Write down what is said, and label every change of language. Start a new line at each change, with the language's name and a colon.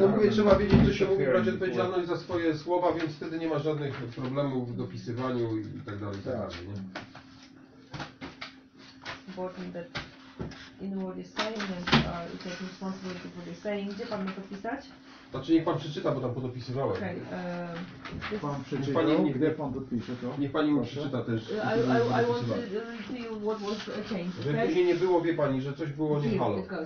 Polish: No mówię, trzeba wiedzieć, kto się mógł brać odpowiedzialność za swoje słowa, więc wtedy nie ma żadnych problemów w dopisywaniu i tak dalej. Tak.
English: In what he's saying, and it has responsibility for the saying.
Polish: Gdzie pan ma podpisać? Znaczy niech pan przeczyta, bo tam podopisywałem. Okay, pan przeczyta, gdzie pan podpisze to? Niech pani mu przeczyta też.
English: I want to read to you what was changed.
Polish: Żeby później nie było, wie pani, że coś było nie halo.